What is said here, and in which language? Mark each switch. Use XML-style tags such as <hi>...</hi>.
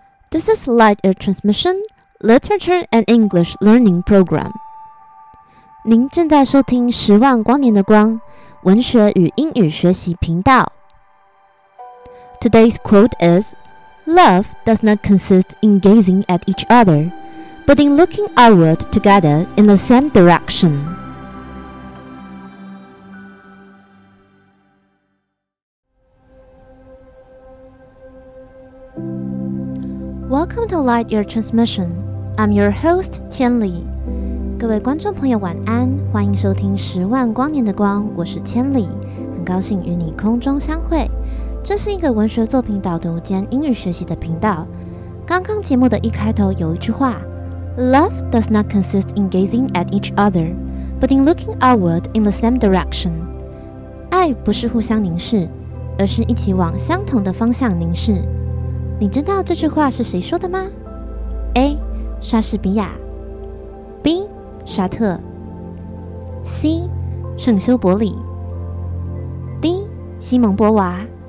<en>This is Light Air Transmission Literature and English Learning Program.</en> <zh>您正在收听十万光年的光文学与英语学习频道。</zh> <en>Today's quote is, Love does not consist in gazing at each other, but in looking outward together in the same direction. Welcome to Light Year Transmission. I'm your host, Qian Li.</en> <zh>各位观众朋友晚安，欢迎收听十万光年的光，我是千里，很高兴与你空中相会。这是一个文学作品导读兼英语学习的频道。刚刚节目的一开头有一句话，</zh> <en>Love does not consist in gazing at each other, but in looking outward in the same direction.</en> <zh>爱不是互相凝视，而是一起往相同的方向凝视。你知道这句话是谁说的吗？ A. 莎士比亚， B. 沙特， C. 圣修伯里， D. 西蒙波娃。</zh>